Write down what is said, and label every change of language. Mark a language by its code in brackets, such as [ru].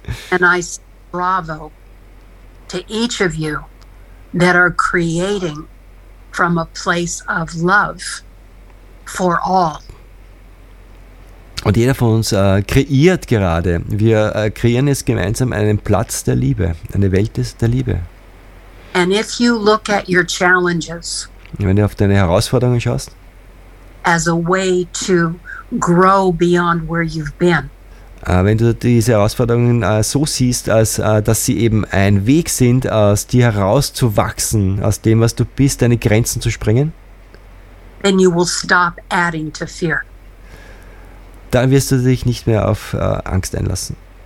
[en] And I say bravo to each of you that are creating from a place of love. for all. [de] Und jeder von uns kreiert gerade, wir kreieren jetzt gemeinsam einen Platz der Liebe, eine Welt der Liebe. [en] And if you look at your challenges, [de] wenn du auf deine Herausforderungen schaust, [en] as a way to grow beyond where you've been. [de] Wenn du diese Herausforderungen so siehst, als dass sie eben ein Weg sind, aus dir herauszuwachsen, aus dem, was du bist, deine Grenzen zu sprengen, [en] then you will stop adding to fear. [de] Dann wirst du dich nicht mehr auf Angst einlassen.